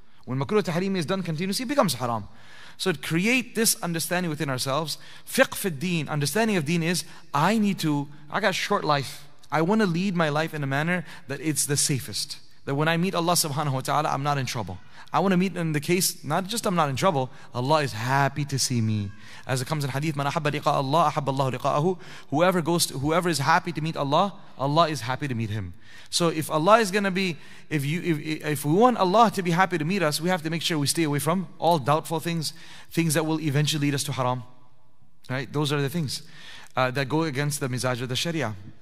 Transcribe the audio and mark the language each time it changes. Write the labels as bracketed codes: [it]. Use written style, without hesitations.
[en] When makruh tahrimi is done continuously, it becomes haram. So to create this understanding within ourselves, fiqh fi deen, understanding of deen is, I got short life. I want to lead my life in a manner that it's the safest. That when I meet Allah subhanahu wa ta'ala, I'm not in trouble. I want to meet in the case, not just I'm not in trouble, Allah is happy to see me. As it comes in hadith, [ar] مَنَ أَحَبَّ لِقَاءَ اللَّهُ أَحَبَّ اللَّهُ لِقَاءَهُ. [en] Whoever is happy to meet Allah, Allah is happy to meet him. So if Allah is going to be, if we want Allah to be happy to meet us, we have to make sure we stay away from all doubtful things, things that will eventually lead us to haram. Right? Those are the things that go against the mizaj of the sharia.